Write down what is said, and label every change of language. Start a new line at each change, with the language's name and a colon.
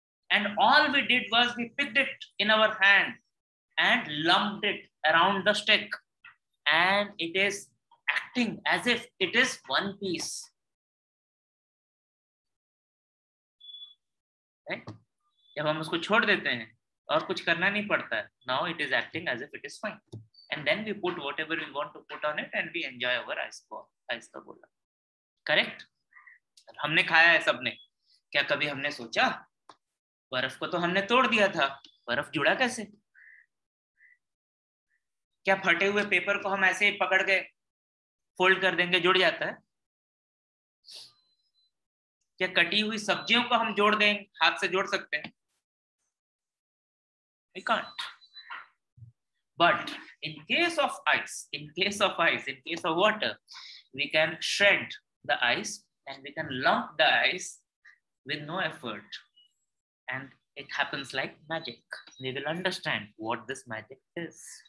English: And all we did was we picked it in our hand and lumped it around the stick. And it is acting as if it is one piece. Right?
Hindi: जब हम उसको छोड़ देते हैं और कुछ करना नहीं पड़ता है.
English: Now it is acting as if it is fine. And then we put whatever we want to put on it and we enjoy our ice ball, ice
Hindi: का बोला.
English: Correct?
Hindi: हमने खाया है सबने. क्या कभी हमने सोचा? बर्फ को तो हमने तोड़ दिया था. बर्फ जुड़ा कैसे? क्या फटे हुए पेपर को हम ऐसे ही पकड़ के फोल्ड कर देंगे, जुड़ जाता है? क्या कटी हुई सब्जियों को हम जोड़ दें, हाथ से जोड़ सकते हैं?
English: We can't. But in case of water, we can shred the ice and we can lump the ice with no effort. And it happens like magic. We will understand what this magic is.